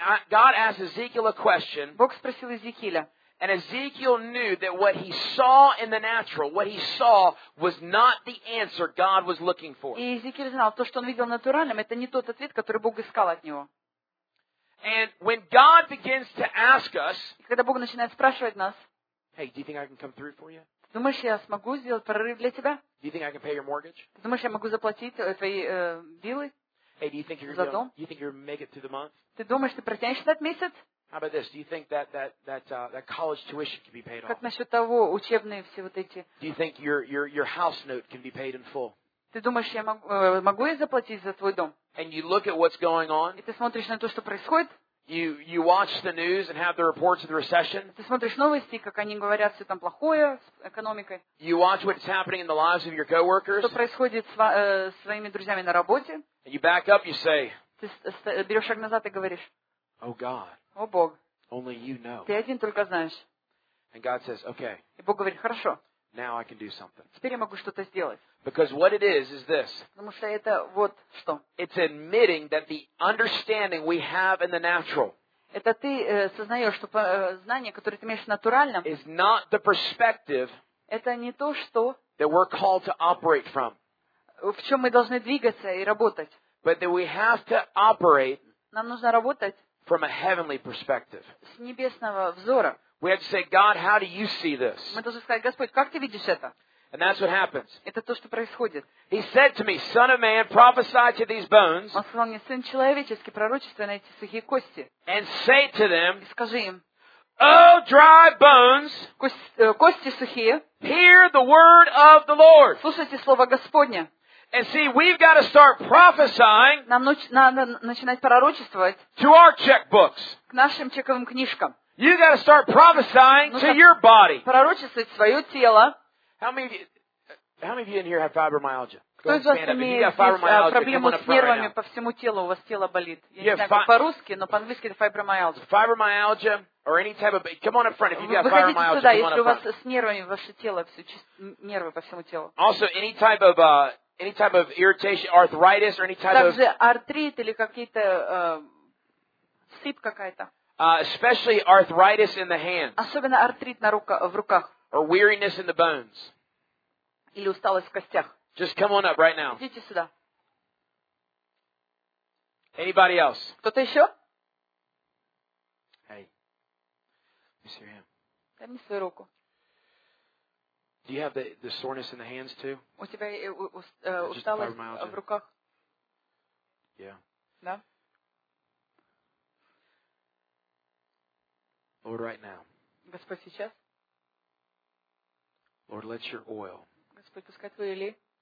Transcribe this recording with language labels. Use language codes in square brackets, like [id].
[en] God asked Ezekiel a question. [ru] Бог спросил Иезекииля. [en] And Ezekiel knew that what he saw in the natural, what he saw was not the answer God was looking for. [ru] И Иезекииль знал, то, что он видел натуральным, это не тот ответ, который Бог искал от него. [en] And when God begins to ask us, [ru] когда Бог начинает спрашивать нас, [en] Hey, do you think I can come through for you? [ru] Думаешь, я смогу сделать прорыв для тебя? [en] Do you think I can pay your mortgage? [ru] Думаешь, я могу заплатить твои билы? [en] Hey, do you think you're going to? You think you're make it through the month? [ru] Ты думаешь, ты протянешь этот месяц? [en] How about this? Do you think that college tuition can be paid off? [ru] Как насчет того, учебные все вот эти? [en] Do you think your house note can be paid in full? [ru] Ты думаешь, я могу я заплатить за твой дом? [en] And you look at what's going on. [ru] И ты смотришь на то, что происходит. [en] You watch the news and have the reports of the recession. [ru] Ты смотришь новости, как они говорят, все там плохое с экономикой. [en] You watch what's happening in the lives of your coworkers. [ru] Что происходит с своими друзьями на работе. [en] And you back up, you say. [ru] Ты берешь шаг назад и говоришь. [en] Oh God. [ru] О Бог. [en] Only you know. [ru] Ты один только знаешь. [en] And God says, okay. [ru] И Бог говорит, хорошо. [en] Now I can do something. [ru] Теперь я могу что-то сделать. [en] Because what it is this. [ru] Потому что это вот что. [en] It's admitting that the understanding we have in the natural. [ru] Это ты сознаешь, что знание, которое ты имеешь в натуральном. [en] Is not the perspective. [ru] Это не то, что. [en] That we're called to operate from. [ru] В чем мы должны двигаться и работать. [en] But that we have to operate. [ru] Нам нужно работать. [en] From a heavenly perspective. [ru] С небесного взора. [en] We have to say, God, how do you see this? [ru] Мы должны сказать, Господь, как ты видишь это? [en] And that's what happens. [ru] Это то, что происходит. [en] He said to me, Son of man, prophesy to these bones. [ru] Он сказал мне, Сын человеческий, пророчествуй на эти сухие кости. [en] And say to them, [ru] И скажи им, [en] Oh, dry bones, [ru] кости сухие, [en] hear the word of the Lord. [ru] Слушайте слово Господне. [en] And see, we've got to start prophesying. [ru] Нам надо начинать пророчествовать. [en] To our checkbooks. [ru] К нашим чековым книжкам. [en] You got to start prophesying to your body. [ru] Пророчествовать свое тело. [en] How many of you in here have fibromyalgia? [ru] Кто из вас имеет проблему с нервами по всему телу, у вас тело болит? Я не знаю, по-русски, но по-английски это fibromyalgia. [en] Fibromyalgia or any type of... Come on up front if you've got fibromyalgia. [ru] Выходите сюда, если у вас с нервами ваше тело, нервы по всему телу. [en] Also, any type of irritation, arthritis or any type of... [ru] Также артрит или какие-то сыпь какая-то. [en] Especially arthritis in the hands. [ru] Особенно артрит в руках. [en] Or weariness in the bones. [ru] Или усталость в костях. [en] Just come on up right now. [ru] Идите сюда. [en] Anybody else? [ru] Кто-то еще? [en] Hey. Let's see him. [ru] Дай мне свою руку. [en] Do you have the soreness in the hands too? [ru] У тебя усталость в руках? [en] Yeah. [ru] Да? [en] Lord, right now. [ru] Господь, сейчас. [en] Lord, let your oil. [ru] Господь, пускай твой олей.